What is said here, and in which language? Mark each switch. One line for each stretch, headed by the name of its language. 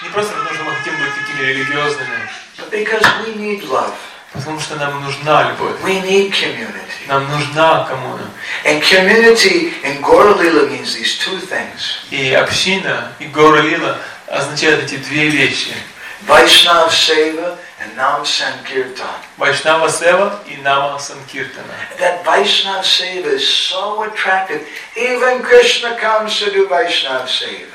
Russian: Не просто потому, что мы хотим быть такими религиозными.
English: But because we need love.
Russian: Потому что нам нужна любовь.
English: We need community.
Russian: Нам нужна коммуна.
English: And community in Gauralila means these two things.
Russian: И община и Гауралила означают эти две вещи.
English: Vaishnava Seva and Nama Sankirtan.
Russian: Vaishnava Seva и Nama Sankirtana.
English: That Vaishnava Seva is so attractive. Even Krishna comes to do Vaishnava Seva.